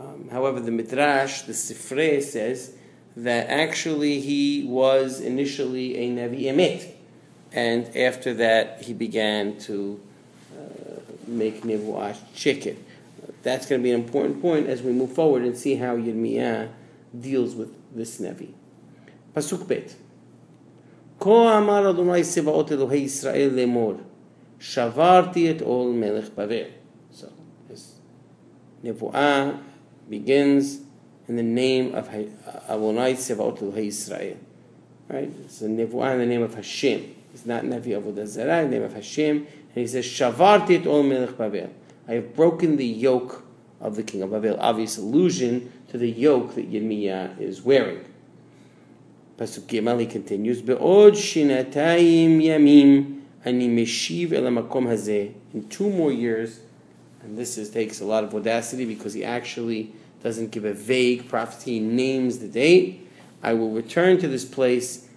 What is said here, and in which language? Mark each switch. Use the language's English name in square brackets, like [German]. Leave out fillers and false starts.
[English] However, the Midrash, the Sifrei, says that actually he was initially a Navi Emet. And after that, he began to make Nevuah Sheker. That's going to be an important point as we move forward and see how Yirmiyah deals with this Navi. Pasuk Bet. [Hebrew] כה אמר אדוני סבאות אלוהי ישראל לאמור, שברתי את עול מלך בבל. [English] So, this נבואה begins in the name of [Hebrew] אדוני סבאות אלוהי ישראל. [English] Right? It's a נבואה in the name of Hashem. It's not [Hebrew] נביא עבודה זרה, [English] in the name of Hashem. And he says, [Hebrew] שברתי את עול מלך בבל. [English] I have broken the yoke of the king of Babel. Obvious allusion to the yoke that Yirmiyah is wearing. Pasuk Gimel, he continues, [Hebrew] Be'od shinatayim yamim ani meshiv el ha-makom hazeh. [English] In two more years, and this is, takes a lot of audacity because he actually doesn't give a vague prophecy, he names the date, I will return to this place.